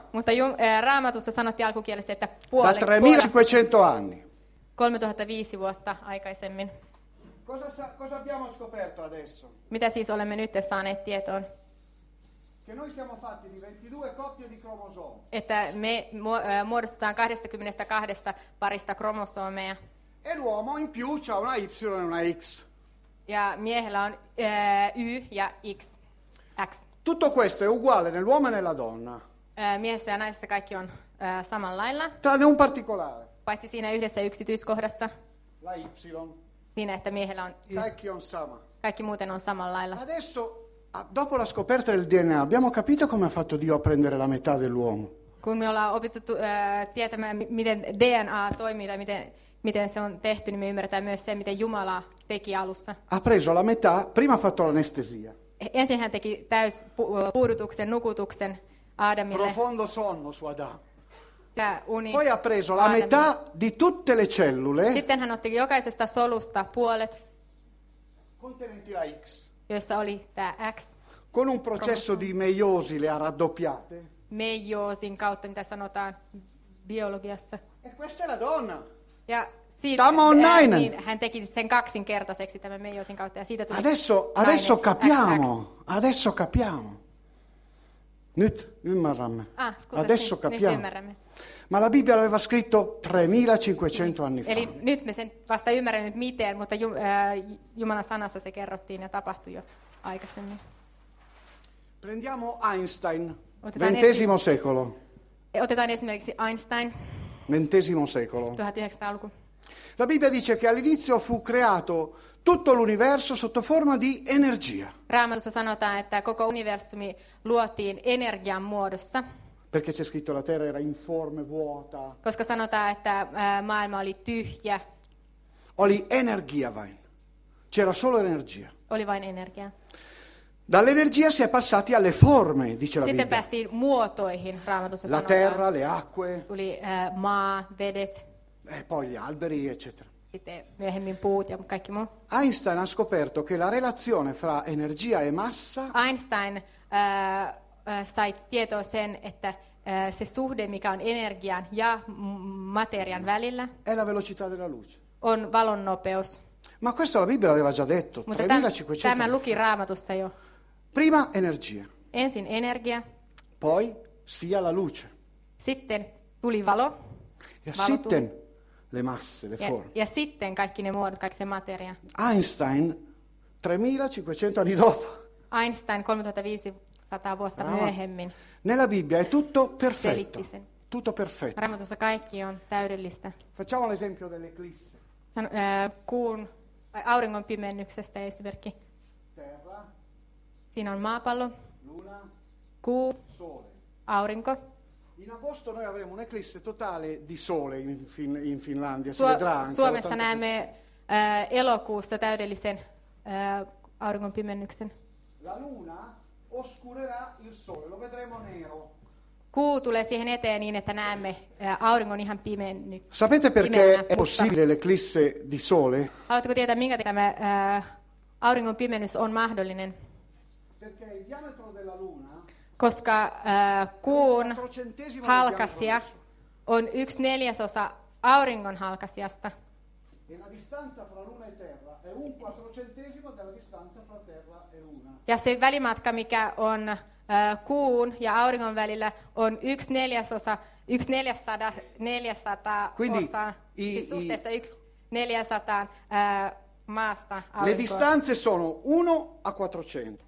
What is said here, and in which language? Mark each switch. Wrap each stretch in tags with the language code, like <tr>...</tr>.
<fi>Mutta Raamatussa sanottiin alkukielessä, että puolet.</fi> <it>Da 3500 anni.</it> <fi>3005 vuotta aikaisemmin.</fi> <it>Cosa abbiamo scoperto adesso?</it> <fi>Mitä siis olemme nyt saaneet tietoon?</fi> <it>Che noi siamo fatti di 22 coppie di cromosomi.</it> <fi>Että me muodostetaan 22 parista kromosomeja.</fi> <it>E l'uomo in più c'ha una Y e una X.</it> <fi>Ja miehellä on Y ja X. X.</fi> <it>Tutto questo è uguale nell'uomo e nella donna.</it> <fi>Miehessä ja naisessa kaikki on samanlailla.</fi> <it>Tranne un particolare.</it> <fi>Paitsi siinä yhdessä yksityiskohdassa.</fi> <it>La Y.</it> <fi>Siinä, että miehellä on Y. Kaikki on sama. Kaikki muuten on samanlailla.</fi> <it>Adesso, dopo la scoperta del DNA, abbiamo capito come ha fatto Dio a prendere la metà dell'uomo.</it> <fi>Kun me ollaan opittu tietämään, miten DNA toimii tai miten se on tehty, niin me ymmärretään myös sen, miten Jumala teki alussa.</fi> <it>Ha preso la metà, prima ha fatto l'anestesia.</it> <fi>Ensin hän teki täys puudutuksen, nukutuksen Aadamille.</fi> <it>Profondo sonno su Adam.</it> <fi>Uni.</fi> <it>Poi ha preso la metà di tutte le cellule.</it> <fi>Sitten hän otti jokaisesta solusta puolet.</fi> <it>Contenenti la X.</it> <fi>Jossa oli tämä X.</fi> <it>Con un processo di meiosi le ha raddoppiate.</it> <fi>Meiosin kautta, mitä sanotaan biologiassa.</fi> <it>E questa è la donna.</it> <fi>Ja tämä on nainen. Niin, hän teki sen kaksinkertaiseksi tämän meiosin kautta ja siitä tuli</fi> <it>adesso capiamo. Adesso capiamo.</it> <fi>Nyt ymmärrämme.</fi> <it>Adesso capiamo. Ma la Bibbia l'aveva scritto 3500 anni fa.</it> <fi>Eli nyt me sen vasta ymmärrän nyt miten, mutta Jumalan sanassa se kerrottiin ja tapahtui jo aikaisemmin.</fi> <it>Prendiamo Einstein, 20. secolo.</it> <fi>Otetaan esimerkiksi Einstein.</fi> <it>20. secolo.</it> <fi>1900-luku.</fi> <it>La Bibbia dice che all'inizio fu creato tutto l'universo sotto forma di energia.</it> <fi>Raamattu sanotaan, että koko universumi luotiin energian muodossa.</fi> <it>Perché c'è scritto la terra era informe, vuota.</it> <fi>Koska sanotaan, että maailma oli tyhjä. Oli energia vain.</fi> <it>C'era solo energia.</it> <fi>Oli vain energia.</fi> <it>Dall'energia si è passati alle forme, dice la Bibbia.</it> <fi>Sitten päästiin muotoihin, Raamatussa</fi> <it>sanotaan. La terra, le acque.</it> <fi>Tuli maa, vedet.</fi> <it>E poi gli alberi, eccetera.</it> <fi>Sitten myöhemmin puut ja kaikki muu.</fi> <it>Einstein ha scoperto che la relazione fra energia e massa...</it> <fi>Einstein sai tietoa sen, että se suhde, mikä on energian ja materian välillä...</fi> <it>È la velocità della luce.</it> <fi>On valon nopeus.</fi> <it>Ma questo la Bibbia l'aveva già detto, 3500</it> <fi>anni. Tämä luki Raamatussa jo.</fi> <it>Prima energia.</it> <fi>Ensin energia.</fi> <it>Poi sia la luce.</it> <fi>Sitten tuli valo. Ja sitten</fi> <it>le masse, le forme.</it> <fi>Ja sitten kaikki ne muodot, kaikki se materia.</fi> <it>Einstein 3500 anni dopo.</it> <fi>Einstein 3500 vuotta myöhemmin.</fi> <it>Nella Bibbia è tutto perfetto. Tutto perfetto.</it> <fi>Raamatussa kaikki on täydellistä.</fi> <it>Facciamo l'esempio dell'eclisse.</it> <fi>Kuun auringon pimennyksestä esimerkki.</fi> <it>Terra.</it> <fi>Siinä on maapallo.</fi> <it>Luna.</it> <fi>Kuu.</fi> <it>Sole.</it> <fi>Aurinko.</fi> <it>In agosto noi avremo un'eclisse totale di sole in Finlandia.</it> <fi>Suomessa näemme elokuussa täydellisen auringon pimennyksen.</fi> <it>La luna oscurerà il sole. Lo vedremo nero.</it> <fi>Kuu tulee siihen eteen niin, että näemme auringon ihan pimennyt.</fi> <it>Sapete perché è possibile l'eclisse di sole?</it> <fi>Haluatko tietää, minkä tämä auringon pimennys on mahdollinen?</fi> <it>Perché il diametro della luna,</it> <fi>koska kuun halkasia on 1/4 auringon halkasiasta.</fi> <it>E la distanza fra luna e terra è 1/400 della distanza fra terra e luna.</it> <fi>Ja se välimatka, mikä on kuun ja auringon välillä on 1/400 suhteessa 1/400 maasta aurinkoon.</fi> <it>Le distanze sono 1/400.</it>